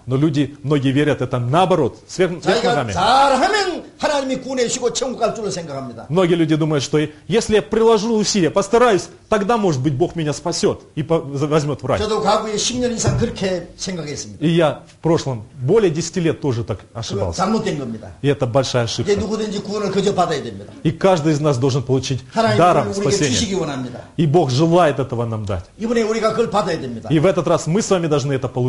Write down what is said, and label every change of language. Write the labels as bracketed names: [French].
[Russian] Но люди, многие верят это наоборот, сверх ногами. [Korean] 잘하면 하나님이 구원해 주시고 천국 갈 줄로 생각합니다. [Russian] Многие люди думают, что если я приложу усилия, постараюсь, тогда, может быть, Бог меня спасет и возьмет в рай. [Korean] 저도 과거에 10년 이상 그렇게 생각했습니다. [Russian] И я в прошлом более 10 лет тоже так ошибался. [Korean] 잘못된 겁니다. [Russian] И это большая ошибка. И каждый из нас должен получить даром спасение. И Бог желает этого нам дать. И в этот раз мы с вами должны это